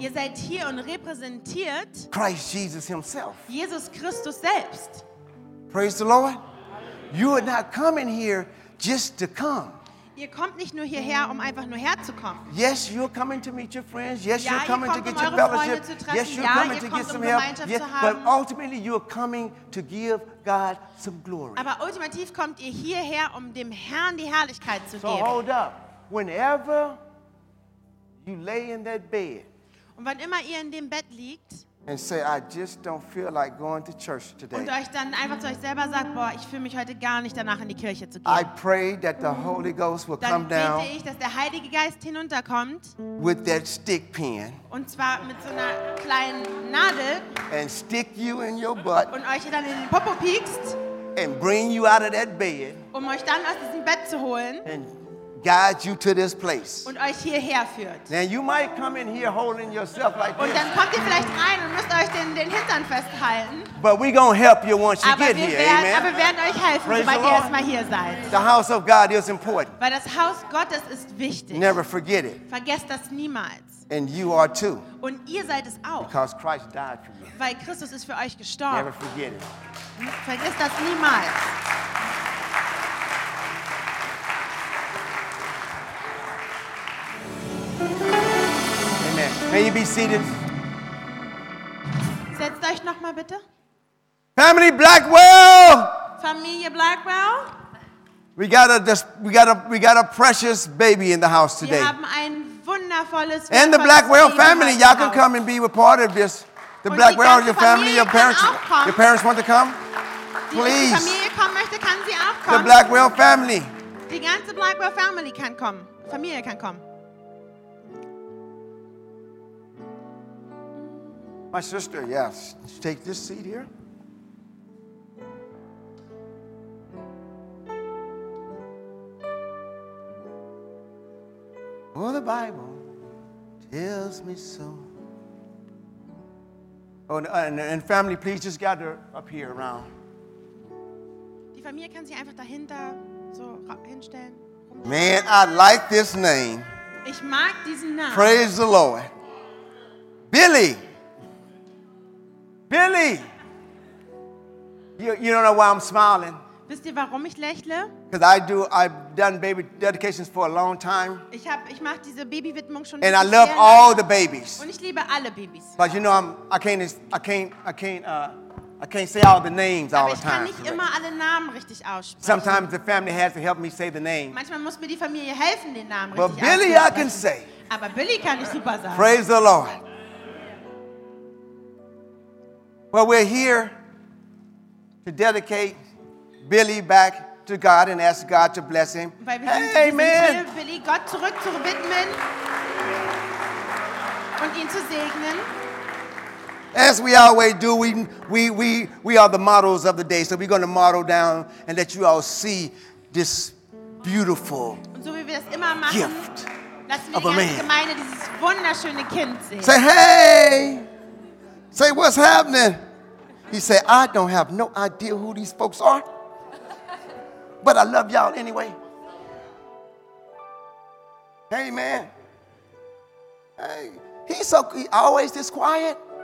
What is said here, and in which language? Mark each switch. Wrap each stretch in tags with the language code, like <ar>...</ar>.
<de>Ihr seid hier und repräsentiert</de> <en>Christ Jesus himself.</en> <de>Jesus Christus selbst.</de> <en>Praise the Lord. You are not coming here just to come.</en> <de>Ihr kommt nicht nur hierher, um einfach nur herzukommen.</de> <en>Yes, you're coming to meet your friends. Yes,</en> <de>ja,</de> <en>you're coming to get your fellowship. Yes, you're</en> <de>ja,</de> <en>coming</en> <de>ihr</de> <en>to</en> <de>kommt,</de> <en>get</en> <de>um</de> <en>some help. Yes, but ultimately, you're coming to give God some glory.</en> <de>Aber ultimativ kommt ihr hierher, um dem Herrn die Herrlichkeit zu</de> <en>so</en> <de>geben.</de> <en>So hold up. Whenever you lay in that bed,</en> <de>und wann immer ihr in dem Bett liegt,</de> <en>and say, I just don't feel like going to church today.</en> <de>Und euch dann einfach zu euch selber sagt, boah, ich fühle mich heute gar nicht danach, in die Kirche zu gehen.</de> <en>I pray that the Holy Ghost will come down.</en> <de>Dann bete ich, dass der Heilige Geist hinunterkommt.</de> <en>With that stick pen.</en> <de>Und zwar mit so einer kleinen Nadel.</de> <en>And stick you in your butt.</en> <de>Und euch dann in den Popo piekst.</de> <en>And bring you out of that bed.</en> <de>Um euch dann aus diesem Bett zu holen.</de> <en>And guide you to this place.</en> <de>Und euch hierher führt.</de> <en>Now you might come in here holding yourself like</en> <de>und</de> <en>this.</en> <de>Und dann kommt ihr vielleicht rein und müsst euch den Hintern festhalten.</de> <en>But we're gonna help you once you</en> <de>aber</de> <en>get here,</en> <de>werden,</de> <en>amen.</en> <de>Aber wir werden euch helfen, praise sobald ihr erstmal hier seid.</de> <en>The house of God is important.</en> <de>Weil das Haus Gottes ist wichtig.</de> <en>Never forget it.</en> <de>Vergesst das niemals.</de> <en>And you are too.</en> <de>Und ihr seid es auch.</de> <en>Because Christ died for you.</en> <de>Weil Christus ist für euch gestorben.</de> <en>Never forget it.</en> <de>Vergesst das niemals.</de> <en>May you be seated.</en> <de>Setzt euch noch mal bitte.</de> <en>Family Blackwell.</en> <de>Familie Blackwell.</de> <en>We got a precious baby in the house today.</en> <de>Wir haben ein wundervolles.</de> <en>And the Blackwell family, y'all can come and be a part of this. The Blackwell, your family, your parents, want to come. Please.</en> <de>Die Familie kommen möchte, kann sie auch kommen.</de> <en>The Blackwell family.</en> <de>Die ganze Blackwell family kann kommen. Familie kann kommen.</de> <en>My sister, yes, take this seat here. Well, the Bible tells me so. Oh, and family, please just gather up here around.</en> <de>Die Familie kann sich einfach dahinter so hinstellen.</de> <en>Man, I like this name.</en> <de>Ich mag diesen Namen.</de> <en>Praise the Lord. Billy. Billy, you don't know why I'm smiling.</en> <de>Wisst ihr, warum ich lächle?</de> <en>Because I do. I've done baby dedications for a long time.</en> <de>Ich mache diese Babywidmung schon.</de> <en>And I love all the babies.</en> <de>Und ich liebe alle Babys.</de> <en>But you know, I can't say all the names</en> <de>aber</de> <en>all the time.</en> <de>Aber ich kann nicht immer alle Namen richtig aussprechen.</de> <en>Sometimes the family has to help me say the name.</en> <de>Manchmal muss mir die Familie helfen, den Namen</de> <en>but</en> <de>richtig Billy auszusprechen.</de> <en>But Billy, I can say.</en> <de>Aber Billy kann ich super sagen.</de> <en>Praise the Lord. Well, we're here to dedicate Billy back to God and ask God to bless him. Amen.</en> <de>Billy, Gott zurück zu widmen und ihn zu segnen.</de> <en>As we always do, we are the models of the day, so we're going to model down and let you all see this beautiful</en> <de>und so wie wir das immer machen,</de> <en>gift</en> <de>lassen wir die ganze Gemeinde dieses wunderschöne Kind sehen.</de> <en>Say hey, say what's happening. He said, I don't have no idea who these folks are, but I love y'all anyway. Hey, man. Hey, he's always this quiet.</en>